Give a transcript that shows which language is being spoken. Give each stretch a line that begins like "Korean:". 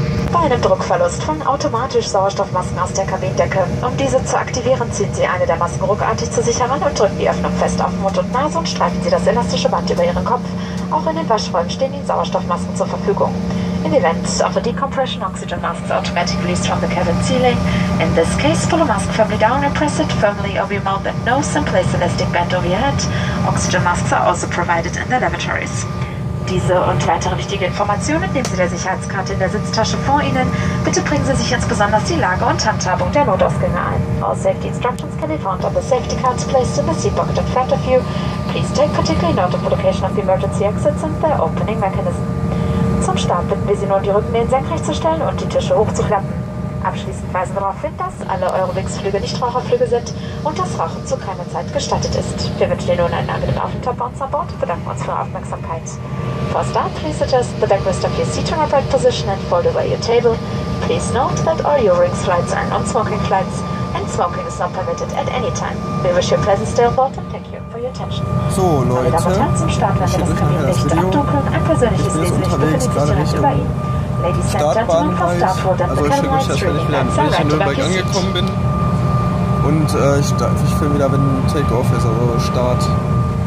German: Bei einem Druckverlust fallen automatisch Sauerstoffmasken aus der Kabindecke. Um diese zu aktivieren, ziehen Sie eine der Masken ruckartig zu sich heran und drücken die Öffnung fest auf Mund und Nase und streifen Sie das elastische Band über Ihren Kopf. Auch in den Waschräumen stehen Ihnen Sauerstoffmasken zur Verfügung.
English: In the event of a decompression, oxygen masks automatically released from the cabin ceiling. In this case, pull a mask firmly down and press it firmly over your mouth and nose and place elastic band over your head. Oxygen masks are also provided in the lavatories.
German: Diese und weitere wichtige Informationen nehmen Sie der Sicherheitskarte in der Sitztasche vor Ihnen. Bitte bringen Sie sich insbesondere die Lage und Handhabung der Notausgänge ein.
English: All safety instructions can be found on the safety cards placed in the seat pocket in front of you. Please take particularly note of the location of the emergency exits and their opening mechanism.
German: Zum Start bitten wir Sie nun, die Rückenlehnen senkrecht zu stellen und die Tische hochzuklappen. Abschließend weisen wir darauf hin, dass alle Eurowings-Flüge Nichtraucherflüge sind und das Rauchen zu keiner Zeit gestattet ist. Wir wünschen Ihnen nun einen angenehmen Aufenthalt bei uns an Bord und bedanken uns für Ihre Aufmerksamkeit.
English: For start, please suggest the backrest of your seat in upright position and fold over your table. Please note that all Eurowings flights are non-smoking flights and smoking is not permitted at any time. We wish you a pleasant stay on board and thank you.
German: So Leute, ich bin jetzt gerade das Video, ich bin jetzt unterwegs, gerade Richtung Startbahnbereich, also ich habe mich wahrscheinlich wieder in Berlin Nürnberg angekommen bin und ich filme wieder, wenn Takeoff ist, also Start.